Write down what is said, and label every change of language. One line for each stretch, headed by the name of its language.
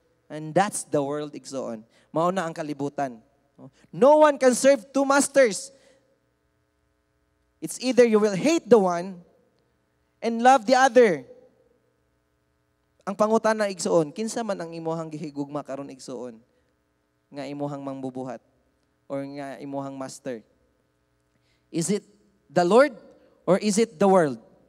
English: And that's the world, igsoon.
Cebuano: Mauna ang kalibutan.
English: No one can serve two masters. It's either you will hate the one and love the other.
Cebuano: ang pangutan na igsoon, kinsa man ang imuhang gihigugma karon igsoon, nga imuhang mangbubuhat, or nga imuhang master.
English: Is it the Lord, or is it the world?